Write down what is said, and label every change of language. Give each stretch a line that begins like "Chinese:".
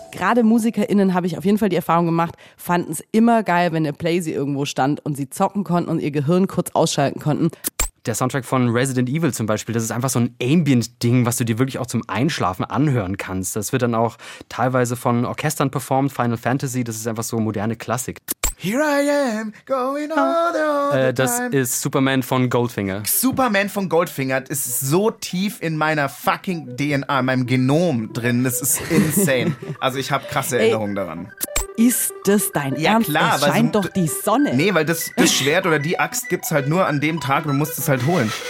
German: Gerade MusikerInnen habe ich auf jeden Fall die Erfahrung gemacht, fanden es immer geil, wenn der Playsy irgendwo stand und sie zocken konnten und ihr Gehirn kurz ausschalten konnten. Der Soundtrack von Resident Evil zum Beispiel, das ist einfach so ein Ambient-Ding, was du dir wirklich auch zum Einschlafen anhören kannst. Das wird dann auch teilweise von Orchestern performt, Final Fantasy, das ist einfach so moderne Klassik.
English: Here I am, going all the time.
German: Das ist Superman von Goldfinger. Superman von Goldfinger ist so tief in meiner fucking DNA, in meinem Genom drin. Das ist insane. Also ich habe krasse Erinnerungen daran. Ist das dein Ernst? Ja, klar. Es scheint doch die Sonne. Nee, weil das Schwert oder die Axt gibt's halt nur an dem Tag und du musst es halt holen.